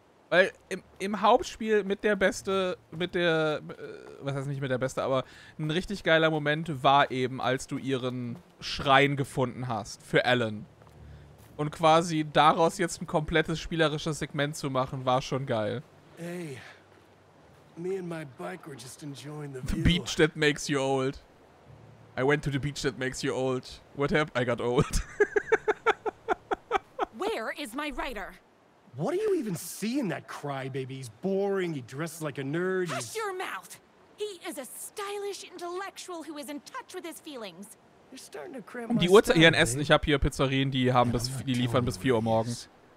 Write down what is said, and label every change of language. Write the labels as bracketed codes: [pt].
[de] Weil im Hauptspiel aber ein richtig geiler Moment war eben, als du ihren Schrein gefunden hast für Alan. Und quasi daraus jetzt ein komplettes spielerisches Segment zu machen, war schon geil. [en] Hey, me and my bike were just enjoying the view. The beach that makes you old. I went to the beach that makes you old. What happened? I got old. Where is my writer? What do you even see in that crybaby? He's boring, he dresses like a nerd. Hush your mouth! He is a stylish intellectual who is in touch with his feelings. You're starting to cram [de] um die Uhrzeit, ihren Essen, ich habe hier Pizzerien, die haben bis, die liefern bis 4 Uhr morgens.